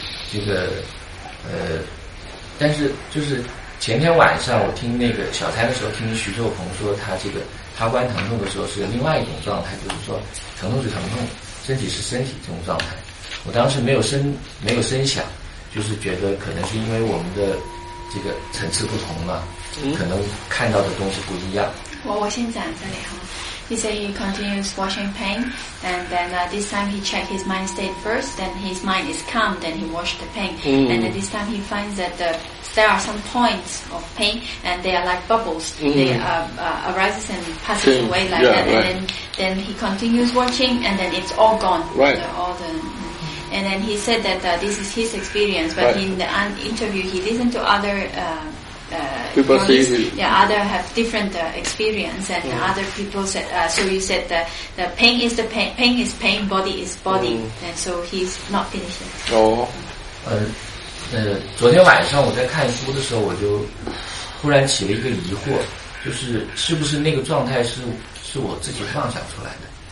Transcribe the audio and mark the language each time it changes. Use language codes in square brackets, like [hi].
[zh] 这个但是就是前天晚上我听那个小餐的时候，听徐寿鹏说他这个他观疼痛的时候是另外一种状态，就是说疼痛是疼痛，身体是身体这种状态。我当时没有声响，就是觉得可能是因为我们的这个层次不同嘛，可能看到的东西不一样。我先讲这里哈。 [en] He said he continues washing pain, and then this time he checked his mind state first. Then his mind is calm. Then he washed the pain, and then this time he finds that there are some points of pain, and they are like bubbles. They arises and passes away like that. And then he continues watching, and then it's all gone. Right. All the And then he said that this is his experience, but right. in the interview he listened to other people say yeah, other have different experience, and mm. other people said, so you said that the pain is the pain, pain is pain, body is body, mm. and so he's not finished. Oh. [zh] 昨天晚上我在看书的时候，我就忽然起了一个疑惑，就是是不是那个状态是我自己妄想出来的？